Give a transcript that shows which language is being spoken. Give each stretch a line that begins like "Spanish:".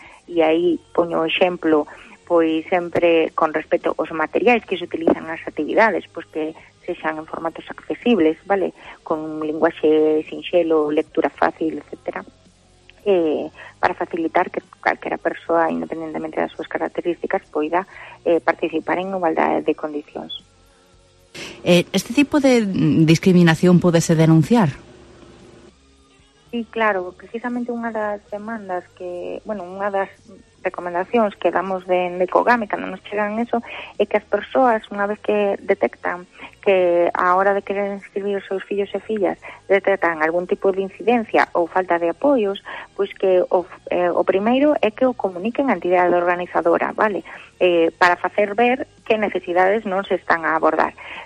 Galician: e aí poño o exemplo, pois sempre con respecto aos materiais que se utilizan nas actividades, pois que sexan en formatos accesibles, vale, con un linguaxe sinxelo, lectura fácil, etcétera, para facilitar que calquera persoa, independentemente das súas características, poida participar en igualdade de condicións.
Spanish: ¿Este tipo de discriminación puede se denunciar?
Galician: Sí, claro, precisamente unha das demandas que, bueno, unha das recomendacións que damos de Cogame, cando nos chegan eso, é que as persoas, unha vez que detectan que a hora de querer inscribir os seus fillos e fillas detectan algún tipo de incidencia ou falta de apoios, pois que o primeiro é que o comuniquen a entidade organizadora, vale, para facer ver que necesidades non se están a abordar.